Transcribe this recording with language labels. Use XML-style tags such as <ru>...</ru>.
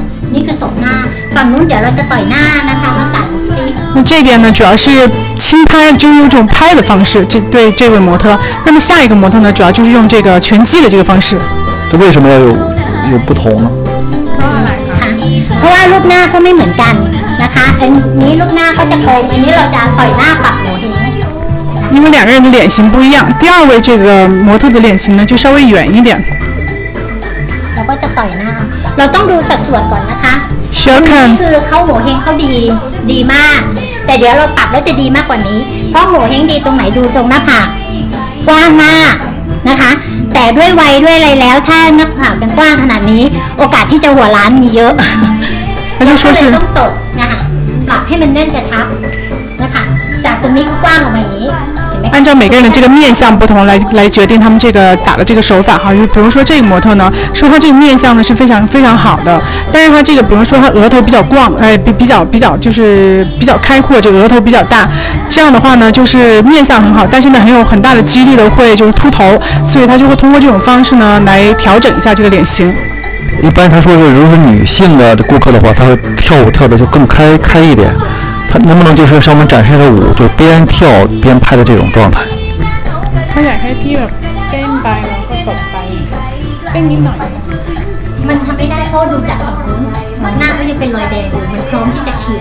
<zh>你可那这边呢，主要是轻拍，就是用这种拍的方式，对这位模特。那么下一个模特呢，主要就是用这个拳击的这个方式。这为什么要有不同呢？</zh> <th>เพราะว่ารูปหน้าก็ไม่เหมือนกันนะคะอันนี้รูปหน้าก็จะโค้งอันนี้เราจะต่อยหน้าปักหัวเ</th> <zh>อง因为两个人的脸型不一样，第二位这个模特的脸型呢就稍微远一点。</zh> <th>เราก็จะต่อยหน้าเราต้องดูสัดส่วนก่อนนะคะ</th> <zh>需要看</zh> <th>คือเขาหัวเฮงเขาดีมากแต่เดี๋ยวเราปรับแล้วจะดีมากกว่านี้เพราะหัวเฮงดีตรงไหนดูตรงหน้าผากกว้างมากนะคะแต่ด้วยวัยด้วยอะไรแล้วถ้าหน้าผากยังกว้างขนาดนี้โอกาสที่จะหัวล้านมีเยอะ ก็เลย ต้องต บ นะ ค ะปรับให้มันแน่นกระชับนะคะจากตรงนี้กว้างออกมาอย่างนี้</th> <zh>按照每个人的这个面相不同来决定他们这个打的这个手法哈，就比如说这个模特呢，说他这个面相呢是非常非常好的，但是他这个比如说他额头比较广，比较就是比较开阔，就额头比较大，这样的话呢就是面相很好，但是呢很有很大的几率的会就是秃头，所以他就会通过这种方式呢来调整一下这个脸型。一般他说是，如果是女性的顾客的话，他会跳舞跳的就更开一点。他能不能就是向我们展示一下舞，就边跳边拍的这种状态？他展开第一个边摆，然后走摆，跟你脑袋。</zh> <th>มันทำไม่ได้เพราะดูจากผมหน้าก็ยังเป็นรอยแดงอยู่มันพร้อมที่จะเขีย</th>